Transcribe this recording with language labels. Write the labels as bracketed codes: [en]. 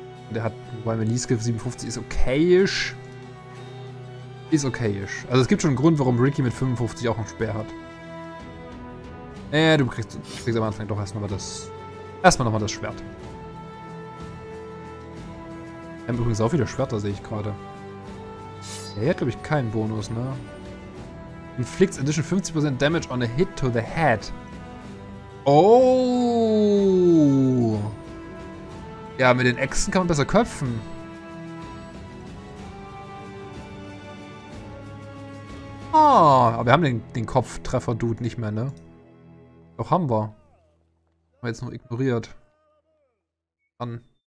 [de] Der hat, weil Melee Skill 57 ist okayisch. Ist okayisch. Also es gibt schon einen Grund, warum Ricky mit 55 auch einen Speer hat. Du kriegst am Anfang doch erstmal nochmal das Schwert. Wir haben übrigens auch wieder Schwerter, sehe ich gerade. Er hat, glaube ich, keinen Bonus, ne? [en] Inflicts additional 50% Damage on a hit to the head. Oh! [de] Ja, mit den Äxten kann man besser köpfen. Ah, aber wir haben den Kopftreffer-Dude nicht mehr, ne? Doch, haben wir. Haben wir jetzt noch ignoriert. Dann.